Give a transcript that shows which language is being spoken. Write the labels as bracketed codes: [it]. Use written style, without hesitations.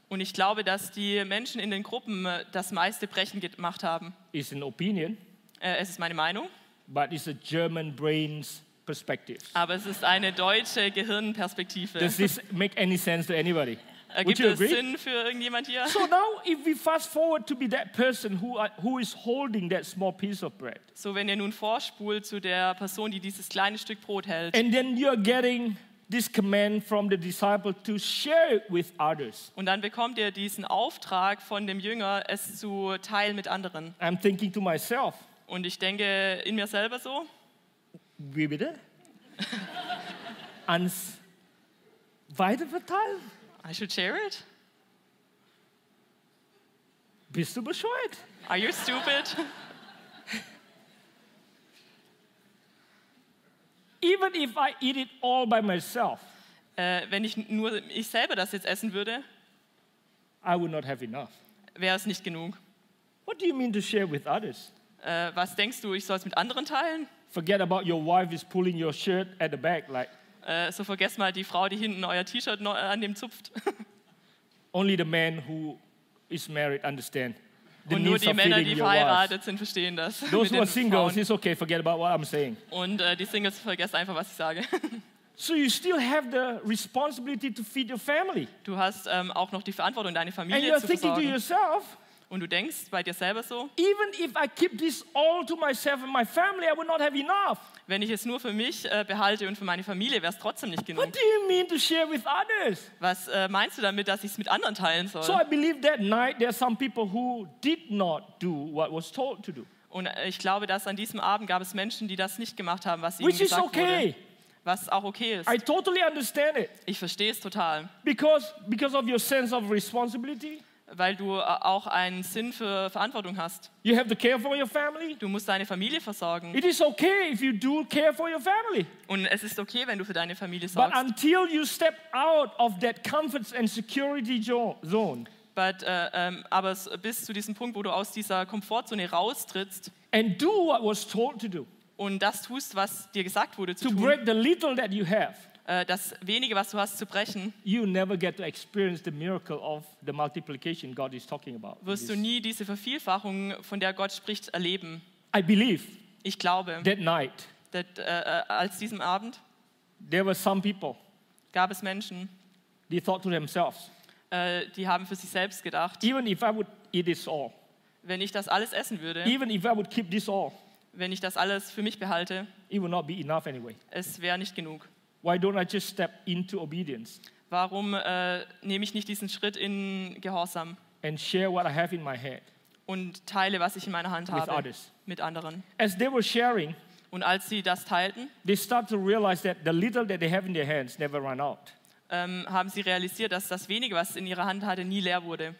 [de] Und ich glaube, dass die Menschen in den Gruppen das meiste Brechen gemacht haben. [en] It's an opinion. [de] Es ist meine Meinung. [en] But it's a German brain's perspective. [de] Aber es ist eine deutsche Gehirnperspektive. [en] Does this make any sense to anybody? [de] Ergibt es Sinn für irgendjemand hier? [en] So now, if we fast forward to be that person who is holding that small piece of bread. [de] So wenn ihr nun vorspult zu der Person, die dieses kleine Stück Brot hält. [en] And then you're getting this command from the disciple to share it with others. [de] Und dann bekommt ihr diesen Auftrag von dem Jünger, es zu teilen mit anderen. [en] I'm thinking to myself. [de] Und ich denke in mir selber so. Wie bitte? Ans weiterverteilen? [en] I should share it. [de] Bist du bescheuert? [en] Are you stupid? Even if I eat it all by myself, [de] wenn ich nur ich selber das jetzt essen würde, [en] I would not have enough. [de] Wäre es nicht genug. [en] What do you mean to share with others? [de] Was denkst du, ich soll es mit anderen teilen? [en] Forget about your wife is pulling your shirt at the back, like. [de] So vergesst mal die Frau, die hinten euer T-Shirt an dem zupft. [en] Only the man who is married understand. [de] Und nur die Männer, die verheiratet sind, verstehen das. [en] Those who are singles, it's okay, forget about what I'm saying. [de] Und die Singles, vergesst einfach, was ich sage. [en] So you still have the responsibility to feed your family. [de] Du hast auch noch die Verantwortung, deine Familie zu versorgen. [en] And you're thinking to yourself. [de] Und du denkst bei dir selber so. [en] Even if I keep this all to myself and my family, I would not have enough. [de] Wenn ich es nur für mich behalte und für meine Familie, wäre es trotzdem nicht genug. [en] What do you mean to share with others? [de] Was meinst du damit, dass ich es mit anderen teilen soll? [en] So I believe that night there are some people who did not do what was told to do. [de] Und ich glaube, dass an diesem Abend gab es Menschen, die das nicht gemacht haben, was ihnen gesagt wurde. Was auch okay ist. [en] I totally understand it. [de] Ich verstehe es total. [en] Because of your sense of responsibility. [de] Weil du auch einen Sinn für Verantwortung hast. [en] You have to care for your family. [de] Du musst deine Familie versorgen. [en] It is okay if you do care for your family. [de] Und es ist okay, wenn du für deine Familie sorgst. [en] But until you step out of that comfort and security zone. [de] Aber bis zu diesem Punkt, wo du aus dieser Komfortzone raustrittst. [en] And do what was told to do. [de] Und das tust, was dir gesagt wurde zu tun. [en] To break the little that you have. [de] Das Wenige, was du hast, zu brechen. [en] You never get to experience the miracle of the multiplication God is talking about. [de] Wirst du nie diese Vervielfachung, von der Gott spricht, erleben? [en] I believe. [de] Ich glaube. [en] That night. [de] Als diesem Abend. [en] There were some people. [de] Gab es Menschen. [en] They thought to themselves. [de] Die haben für sich selbst gedacht. [en] Even if I would eat this all. [de] Wenn ich das alles essen würde. [en] Even if I would keep this all. [de] Wenn ich das alles für mich behalte. [en] It would not be enough anyway. [de] Es wäre nicht genug. [en] Why don't I just step into obedience? [de] Warum nehme ich nicht diesen Schritt in Gehorsam? [en] And share what I have in my hand. [de] Und teile, was ich in meiner Hand habe. [en] With others. [de] Mit anderen. [en] As they were sharing. [de] Und als sie das teilten. [en] They start to realize that the little that they have in their hands never run out. [de] Haben sie realisiert, dass das Wenige, was in ihrer Hand hatte, nie leer wurde.